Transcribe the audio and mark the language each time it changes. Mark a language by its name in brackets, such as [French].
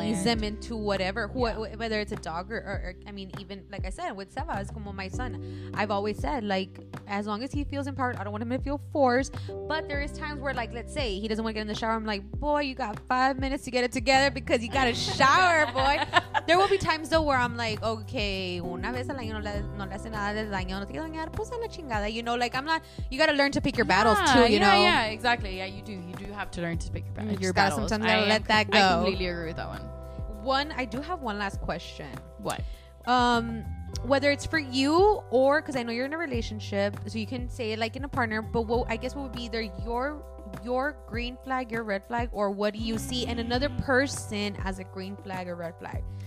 [English] Ease them into whatever, whether it's a dog or, I mean, even, like I said, with Seba, it's como my son. I've always said, like, as long as he feels empowered, I don't want him to feel forced. But there is times where, like, let's say he doesn't want to get in the shower. I'm like, boy, you got 5 minutes to get it together because you got to shower, boy. There will be times, though, where I'm like, okay, [Spanish] una vez al año no le hace nada de daño, no te quiero dañar, pues a la chingada. [English] You know, like, I'm not, you got to learn to pick your battles, too, you know? Yeah, exactly. Yeah, you do. You do have to learn to pick your battles. You've got sometimes to let that go. I completely agree with that one. I do have one last question. What? Whether it's for you or, because I know you're in a relationship, so you can say it like in a partner, but what would be either your green flag, your red flag, or what do you see in another person as a green flag or red flag?